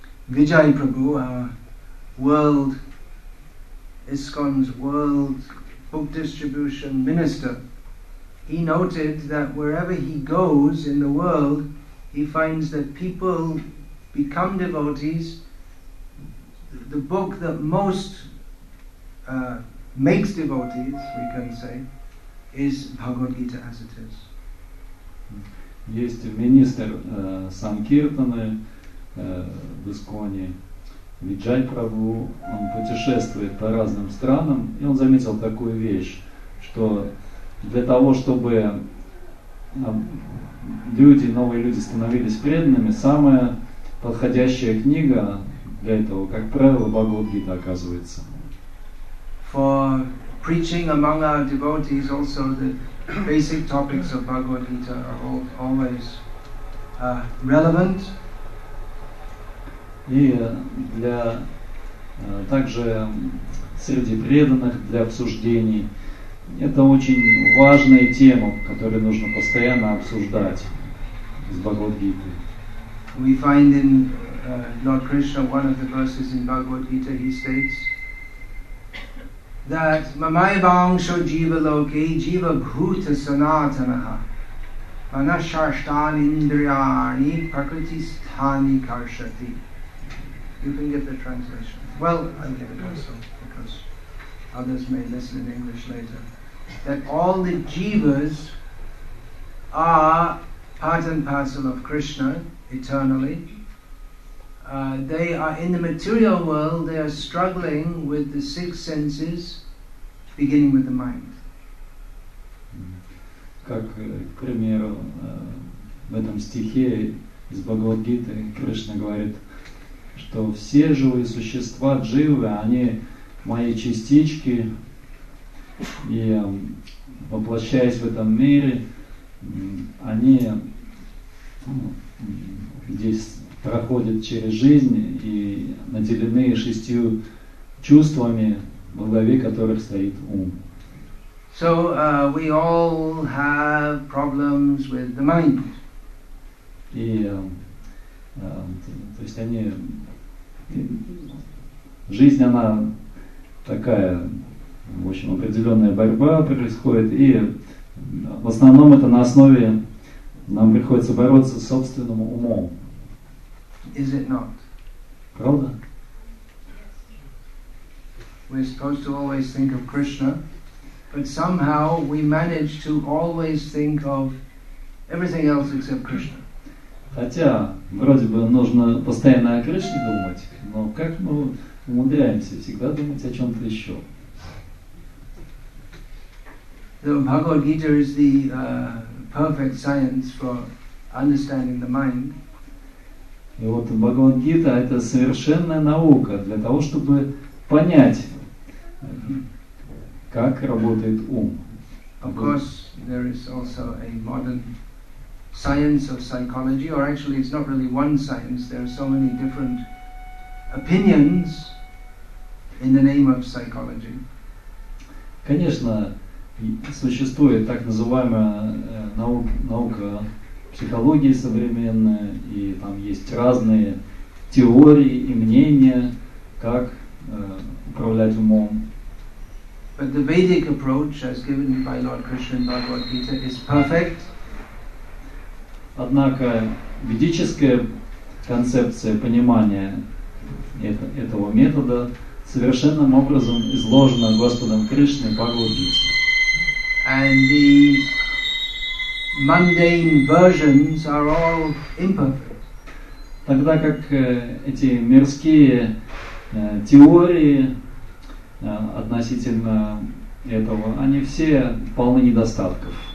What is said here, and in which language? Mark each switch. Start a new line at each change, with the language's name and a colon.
English: Vijay Prabhu, our world ISKCON's world book distribution minister, he noted that wherever he goes in the world, he finds that people become devotees. The book that most makes devotees, we can say, is Bhagavad Gita as it is.
Russian: Есть министр Санкиртаны в Исконе, Виджай Прабу, он путешествует по разным странам, и он заметил такую вещь, что для того, чтобы люди, новые люди становились преданными, самая подходящая книга для этого, как правило, Бхагавад-гита оказывается.
English: For preaching among our devotees also the basic topics of Bhagavad-gita are always relevant.
Russian: И для также среди преданных для обсуждений это очень важная тема, которую нужно постоянно обсуждать с Бхагавад-гитой.
English: We find in Lord Krishna one of the verses in Bhagavad-gita he states that
Sanskrit: mamaibhaṃsho jīva loke jīva bhūta sanātanaḥ manaśaṣṭāni indriyāṇi prakṛti sthāni karṣati.
English: You can get the translation. Well, I'll give it also, because others may listen in English later. That all the jivas are part and parcel of Krishna, eternally. They are in the material world, they are struggling with the six senses, beginning with the mind.
Russian: Как, к примеру, в этом стихе из Бхагавад-гиты Кришна говорит, что все живые существа, дживы, они мои частички, и воплощаясь в этом мире, они здесь проходят через жизнь и наделены шестью чувствами, во главе которых стоит ум.
English: So, we all have problems with the mind.
Russian: И, то есть они... Жизнь, она такая, в общем, определенная борьба происходит, и в основном это на основе, нам приходится бороться с собственным умом.
English: Is it not?
Russian: Правда?
English: We're supposed to always think of Krishna, but somehow we manage to always think of everything else except Krishna.
Russian: Хотя, вроде бы, нужно постоянно о Кришне думать, но как мы умудряемся всегда думать о чем-то еще?
English: The Bhagavad-gita is the perfect science for understanding the mind.
Russian: И вот Бхагавад-гита — это совершенная наука для того, чтобы понять, как работает ум.
English: Of course, there is also a modern science of psychology, or actually it's not really one science, there are so many different opinions in the name of psychology.
Russian: Конечно, существует так называемая наука психологии современная, и там есть разные теории и мнения, как управлять умом.
English: But the Vedic approach, as given by Lord Krishna and Bhagavad Gita, is perfect.
Russian: Однако ведическая концепция понимания этого метода совершенным образом изложена Господом Кришной Бхагавад-гите.
English: And the mundane versions are all imperfect.
Russian: Тогда как эти мирские теории относительно этого, они все полны недостатков.